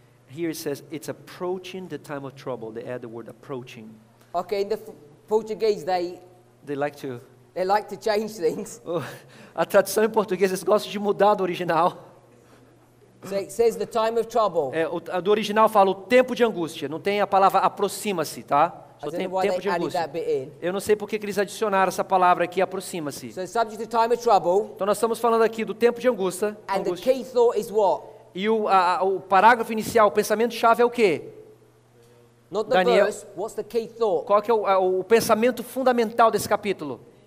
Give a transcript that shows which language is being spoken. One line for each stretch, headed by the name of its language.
English: Here it says it's approaching the time of trouble. They add the word approaching. Okay, in the Portuguese they like to change things.
Portuguese: A tradução em português eles gostam de mudar do original.
English: So it says the time of trouble.
Portuguese: É, do original fala o tempo de angústia. Não tem a palavra aproxima-se, tá? Só tem tempo de angústia. Eu não sei por que eles adicionaram essa palavra aqui, aproxima-se.
English: So the subject of time of trouble.
Portuguese: Então nós estamos falando aqui do tempo de angústia.
English: And the key thought is what?
Portuguese: E o parágrafo inicial, o pensamento-chave é o quê?
English: Not the Daniel, verse, what's the key thought?
Portuguese: Qual que é o pensamento fundamental desse capítulo?